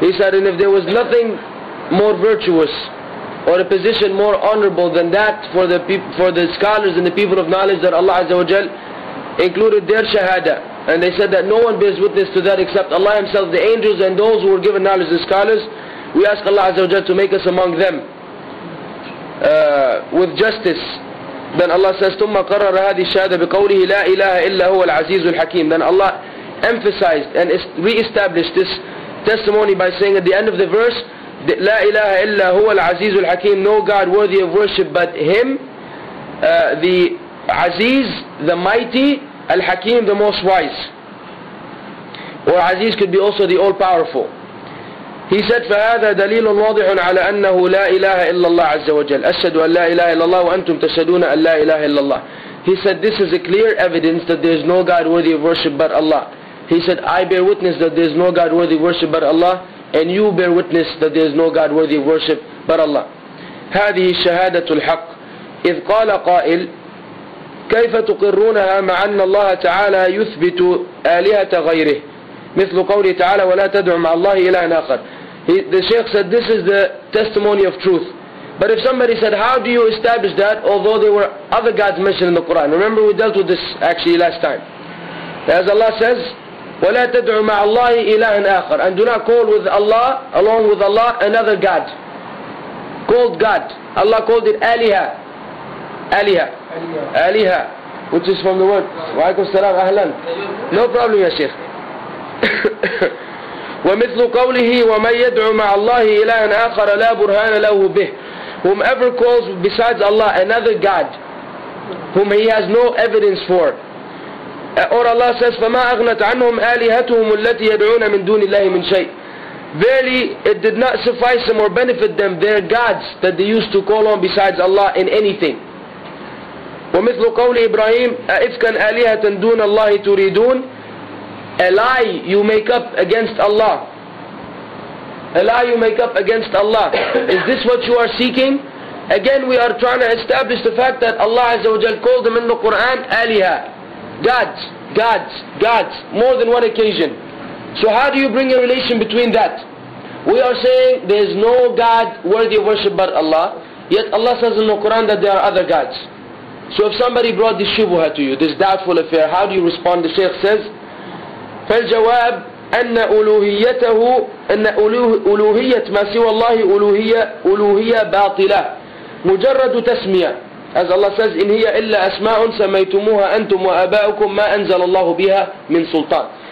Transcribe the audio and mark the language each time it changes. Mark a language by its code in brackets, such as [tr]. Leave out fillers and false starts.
[en] He said, and if there was nothing more virtuous or a position more honorable than that for the scholars and the people of knowledge, that Allah Azza wa Jal included their shahada, and they said that no one bears witness to that except Allah Himself, the angels, and those who were given knowledge, the scholars, we ask Allah Azza wa Jal to make us among them with justice. Then Allah says, [ar] ثم قرر هذه الشهادة بقوله لا إله إلا هو العزيز الحكيم. [en] Then Allah emphasized and re-established this testimony by saying at the end of the verse, [ar] لا إله إلا هو العزيز الحكيم, [en] no God worthy of worship but Him, the Aziz, the mighty, Al-Hakim, the most wise. Or Aziz could be also the all-powerful. He said, فَهَذَا دَلِيلٌ وَاضِحٌ عَلَى أَنَّهُ لَا إِلَهَ إِلَّا اللَّهِ عَزَّ وَجَلَّ أَشْهَدُ أَنْ لَا إِلَهَ إِلَّا اللَّهِ وَأَنْتُمْ تَشْهَدُونَ أَنْ لَا إِلَهَ إِلَّا اللَّهِ. He said, this is a clear evidence that there is no God worthy of worship but Allah. [ar] He said, I bear witness that there is no God worthy of worship but Allah, and you bear witness that there is no God worthy of worship but Allah. هذه شهادة الحق. إذ قال قائل كيف تقرونها مع أن الله تعالى يثبت آلهة غيره مثل قوله تعالى ولا تدع مع الله إلها آخر. [en] The Shaykh said, this is the testimony of truth. But if somebody said, how do you establish that although there were other gods mentioned in the Quran? Remember, we dealt with this actually last time. As Allah says, [ar] ولا تدع مع الله إلها آخر, [en] and do not call with Allah, along with Allah, another god. Called God. Allah called it Aliha. Aliha. Aliha. Which is from the word. Wa alaykum salam ahlan. No problem, ya Sheikh. [ar] ومثل قوله ومن يدعو مع الله إلها آخر لا برهان له به. [en] Whomever calls besides Allah another God, whom he has no evidence for. Or Allah says, [ar] فما أغنت عنهم آلهتهم التي يدعون من دون الله من شيء. [en] Verily, it did not suffice them or benefit them their gods that they used to call on besides Allah in anything. [ar] ومثل قول إبراهيم أَإِفْكَنْ آلِهَةً دُونَ اللَّهِ تُرِيدُونَ. [en] A lie you make up against Allah. A lie you make up against Allah. Is this what you are seeking? Again, we are trying to establish the fact that Allah Azza wa Jal called them in the Quran آلِهَة. Gods, gods, gods. More than one occasion. So how do you bring a relation between that? We are saying there is no God worthy of worship but Allah, yet Allah says in the Quran that there are other gods. So if somebody brought this shubuha to you, this doubtful affair, how do you respond? The Shaykh says, [ar] فالجواب أن ألوهيته أن ألوهية ما سوى الله ألوهية باطلة مجرد تسمية. [en] As Allah says, [ar] إن هي إلا أسماء سميتموها أنتم وأباؤكم ما أنزل الله بها من سلطان.